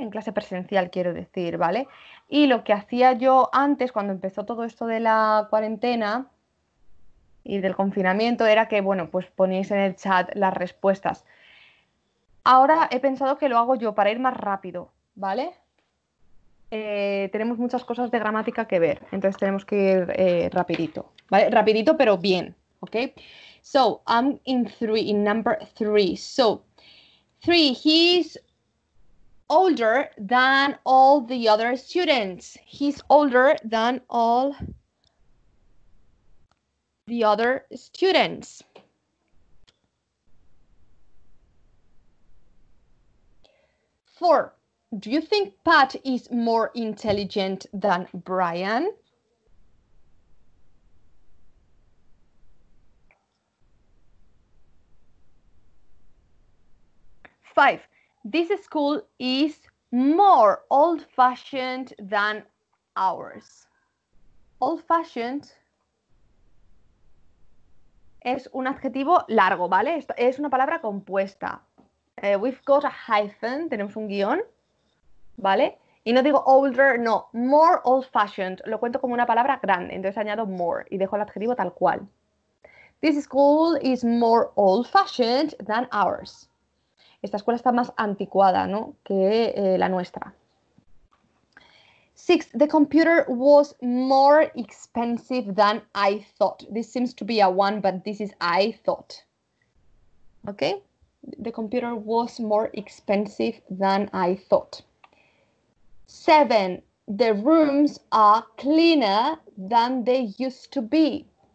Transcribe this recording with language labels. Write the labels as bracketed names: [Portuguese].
[Spanish] En clase presencial, quiero decir, ¿vale? Y lo que hacía yo antes, cuando empezó todo esto de la cuarentena y del confinamiento, era que, bueno, pues poníais en el chat las respuestas. Ahora he pensado que lo hago yo para ir más rápido, ¿vale? Tenemos muchas cosas de gramática que ver, entonces tenemos que ir rapidito, ¿vale? Rapidito, pero bien, ¿ok? [English] So, I'm in three, in number three. So, three, he's older than all the other students. He's older than all the other students. Four, do you think Pat is more intelligent than Brian? Five, this school is more old-fashioned than ours. [Spanish] Old-fashioned es un adjetivo largo, ¿vale? Es una palabra compuesta. [English] We've got a hyphen, [Spanish] tenemos un guión, ¿vale? Y no digo older, no, more old-fashioned. Lo cuento como una palabra grande, entonces añado more y dejo el adjetivo tal cual. [English] This school is more old-fashioned than ours. [Spanish] Esta escuela está más anticuada, ¿no?, que la nuestra. [English] Six, the computer was more expensive than I thought. This seems to be a one, but this is I thought. Okay? The computer was more expensive than I thought. Seven, the rooms are cleaner than they used to be.